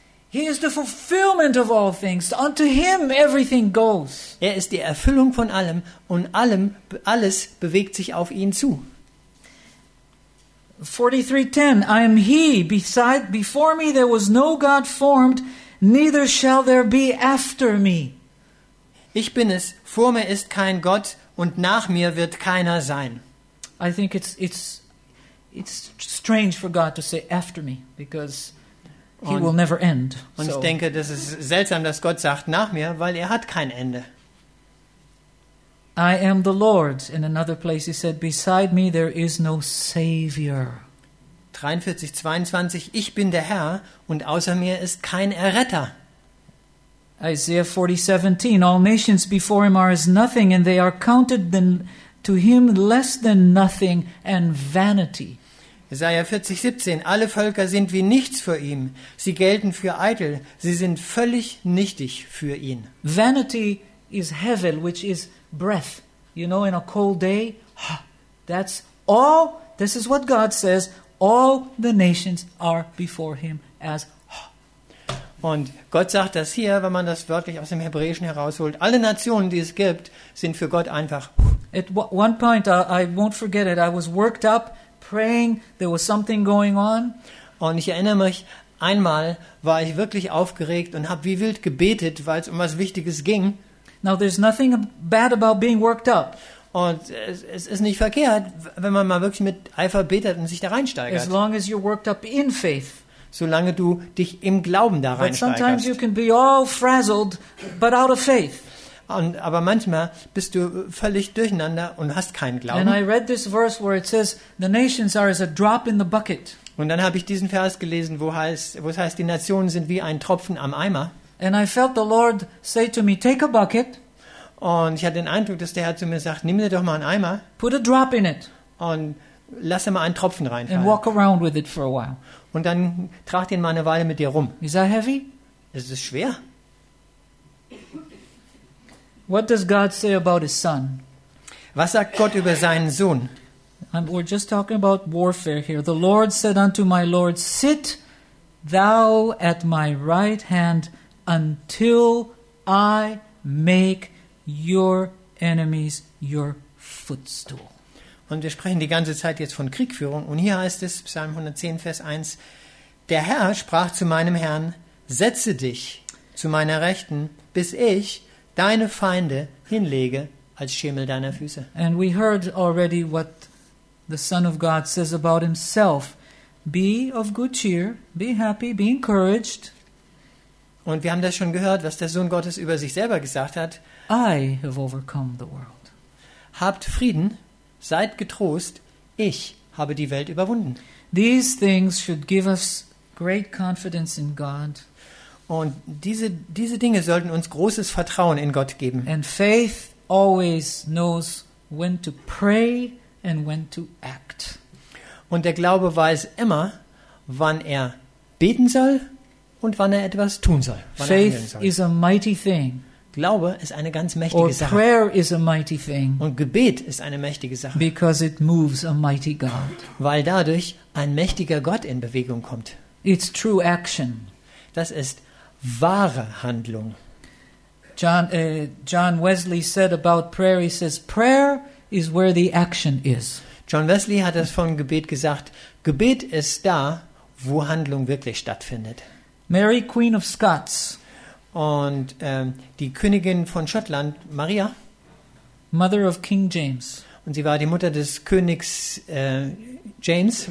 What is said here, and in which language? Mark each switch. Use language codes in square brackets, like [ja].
[en] he is the fulfillment of all things. Unto him everything goes. [de] Er ist die Erfüllung von allem und alles bewegt sich auf ihn zu. [en] 43:10, I am he, before me there was no god formed, neither shall there be after me. [de] Ich bin es, vor mir ist kein Gott und nach mir wird keiner sein. [en] I think it's strange for God to say after me, because he will never end. [de] Und ich denke, das ist seltsam, dass Gott sagt nach mir, weil er hat kein Ende. [en] I am the Lord. In another place he said, beside me there is no savior. [de] 43, 22, ich bin der Herr und außer mir ist kein Erretter. [en] Isaiah 40:17, all nations before him are as nothing and they are counted to him less than nothing and vanity. [de] Jesaja 40:17, alle Völker sind wie nichts vor ihm, sie gelten für eitel, sie sind völlig nichtig für ihn. [en] Vanity is hevel, which is breath. You know, in a cold day, that's all, this is what God says, all the nations are before him as. [de] Und Gott sagt das hier, wenn man das wörtlich aus dem Hebräischen herausholt, alle Nationen, die es gibt, sind für Gott einfach. [en] At one point, I won't forget it, I was worked up, praying, there was something going on. [de] Und ich erinnere mich, einmal war ich wirklich aufgeregt und habe wie wild gebetet, weil es um was Wichtiges ging. [en] Now there's nothing bad about being worked up. [de] Und es ist nicht verkehrt, wenn man mal wirklich mit Eifer betet und sich da reinsteigert. [en] As long as you're worked up in faith. [de] Solange du dich im Glauben da reinsteigerst. [en] But sometimes you can be all frazzled, but out of faith. [de] Und, aber manchmal bist du völlig durcheinander und hast keinen Glauben. [en] And I read this verse where it says, the nations are as a drop in the bucket. [de] Und dann habe ich diesen Vers gelesen, wo es heißt, die Nationen sind wie ein Tropfen am Eimer. [en] And I felt the Lord say to me, take a bucket. [de] Und ich hatte den Eindruck, dass der Herr zu mir sagt, nimm dir doch mal einen Eimer. [en] Put a drop in it. [de] Und lass mal einen Tropfen reinfallen. [en] And walk around with it for a while. [de] Und dann trag den mal eine Weile mit dir rum. [en] Is that heavy? [de] Es ist schwer. [en] What does God say about his son? [de] Was sagt Gott über seinen Sohn? [en] We're just talking about warfare here. The Lord said unto my Lord, sit thou at my right hand until I make your enemies your footstool. [de] Und wir sprechen die ganze Zeit jetzt von Kriegführung. Und hier heißt es, Psalm 110, Vers 1, der Herr sprach zu meinem Herrn, setze dich zu meiner Rechten, bis ich deine Feinde hinlege als Schemel deiner Füße. [en] And we heard already what the Son of God says about himself. Be of good cheer, be happy, be encouraged. [de] Und wir haben das schon gehört, was der Sohn Gottes über sich selber gesagt hat. [en] I have overcome the world. [de] Habt Frieden, seid getrost, ich habe die Welt überwunden. [en] These things should give us great confidence in God. [de] Und diese Dinge sollten uns großes Vertrauen in Gott geben. [en] And faith always knows when to pray and when to act. [de] Und der Glaube weiß immer, wann er beten soll und wann er etwas tun soll. [en] Faith is a mighty thing. [de] Glaube ist eine ganz mächtige Sache. [en] Prayer is a mighty thing. [de] Und Gebet ist eine mächtige Sache. [en] Because it moves a mighty God. [de] Weil dadurch ein mächtiger Gott in Bewegung kommt. [en] It's true action. [de] Das ist wahre Handlung. [en] John Wesley said about prayer, he says, prayer is where the action is. [de] John Wesley hat das von Gebet gesagt, Gebet ist da, wo Handlung wirklich stattfindet. [en] Mary, Queen of Scots. [de] Und die Königin von Schottland, Maria. [en] Mother of King James. [de] Und sie war die Mutter des Königs James.